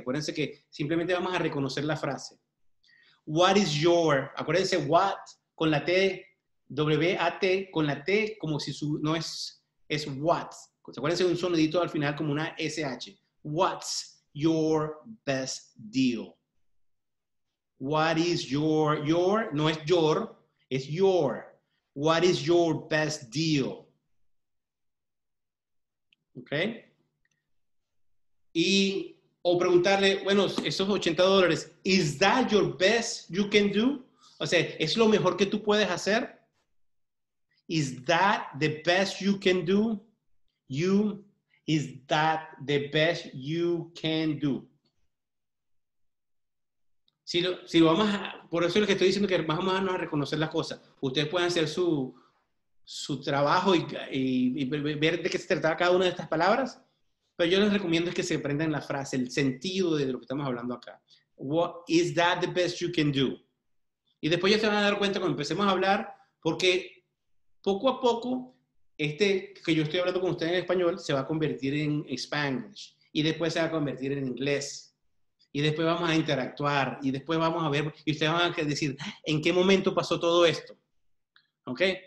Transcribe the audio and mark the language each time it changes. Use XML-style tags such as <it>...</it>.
<es>Acuérdense que simplemente vamos a reconocer la frase.</es> <en>What is your,</en> <es>acuérdense, what con la T, W-A-T, con la T como si su, no es, es what. Acuérdense de un sonidito al final como una SH.</es> <en>What's your best deal? What is your, no es your, es your. What is your best deal?</en> <es>¿Ok? Y, o preguntarle, bueno, esos $80,</es> <en>is that your best you can do?</en> <es>O sea, ¿es lo mejor que tú puedes hacer?</es> <en>Is that the best you can do? You, is that the best you can do?</en> <es>Si lo vamos a, por eso es lo que estoy diciendo, que más o menos a reconocer las cosas. Ustedes pueden hacer su trabajo y ver de qué se trataba cada una de estas palabras. Pero yo les recomiendo que se aprendan la frase, el sentido de lo que estamos hablando acá.</es> <en>What is that the best you can do?</en> <es>Y después ya se van a dar cuenta cuando empecemos a hablar, porque poco a poco, este que yo estoy hablando con ustedes en español se va a convertir en Spanish. Y después se va a convertir en inglés. Y después vamos a interactuar. Y después vamos a ver, y ustedes van a decir, ¿en qué momento pasó todo esto? ¿Ok?</es>